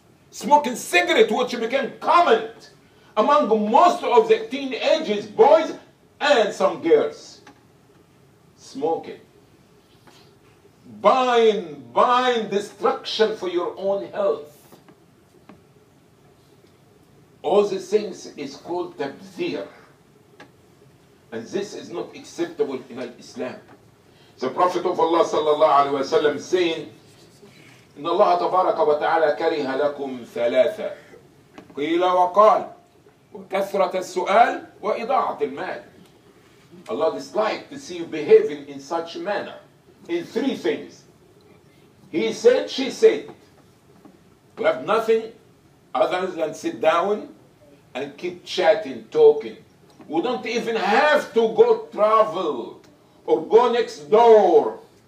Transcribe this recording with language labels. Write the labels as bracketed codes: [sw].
[en] Smoking cigarette, which became common among most of the teenagers, boys and some girls. Smoking. Buying destruction for your own health. All these things is called tabzir. And this is not acceptable in Islam. The Prophet of Allah sallallahu alayhi wa sallam saying, [ar] إِنَّ اللَّهَ تَبَارَكَ وَتَعَالَى كَرِهَ لَكُمْ ثَلَاثَ قِيلَ وَقَالَ وَكَثْرَةَ السُّؤَالِ وَإِضَاعَةِ الْمَالِ. [en] Allah dislike to see you behaving in such manner. In three things. He said, she said, we have nothing other than sit down and keep chatting, talking. We don't even have to go travel or go next door.